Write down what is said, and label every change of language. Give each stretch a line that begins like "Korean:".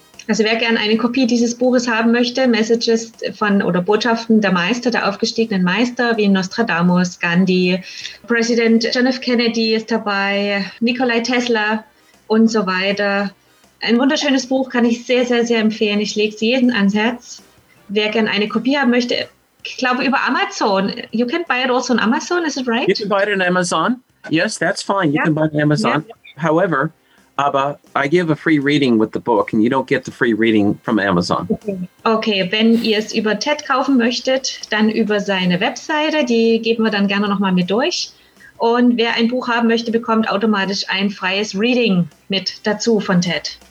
German: Also wer gerne eine Kopie dieses Buches haben möchte, Messages von oder Botschaften der Meister, der aufgestiegenen Meister, wie Nostradamus, Gandhi, Präsident John F. Kennedy ist dabei, Nikola Tesla und so weiter. Ein wunderschönes Buch, kann ich sehr, sehr, sehr empfehlen. Ich lege es jedem ans Herz. Wer gerne eine Kopie haben möchte, ich glaube über Amazon.
English: You can buy it also on Amazon, is it right? You can buy it on Amazon. Yes, that's fine. You can buy it on Amazon. Yeah. However,
German: aber
English: I give a free reading with the book and you don't get the free reading from Amazon.
German: Okay, wenn ihr es über TED kaufen möchtet, dann über seine Webseite, die geben wir dann gerne nochmal mit durch. Und wer ein Buch haben möchte, bekommt automatisch ein freies Reading mit dazu von TED.